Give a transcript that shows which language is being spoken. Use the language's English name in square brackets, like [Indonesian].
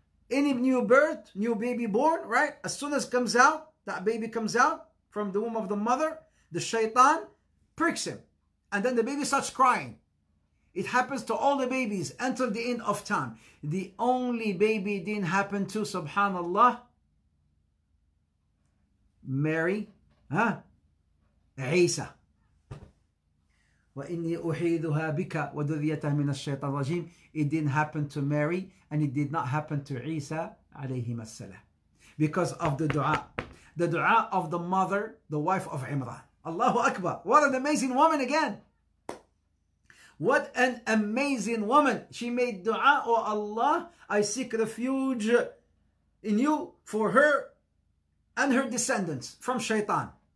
[English] Any new birth, new baby born, right? As soon as comes out, that baby comes out from the womb of the mother, the shaitan pricks him. And then the baby starts crying. It happens to all the babies until the end of time. The only baby it didn't happen to, subhanallah, Mary, huh? Isa. [Arabic] وإني أحيدها بك وذريتها من الشيطان الرجيم. [English] It didn't happen to Mary and it did not happen to Isa [Arabic] عليهما السلام [English] because of the dua of the mother, the wife of Imran. Allahu Akbar. What an amazing woman again. What an amazing woman. She made dua, O Allah, I seek refuge in you for her and her descendants from shaitan.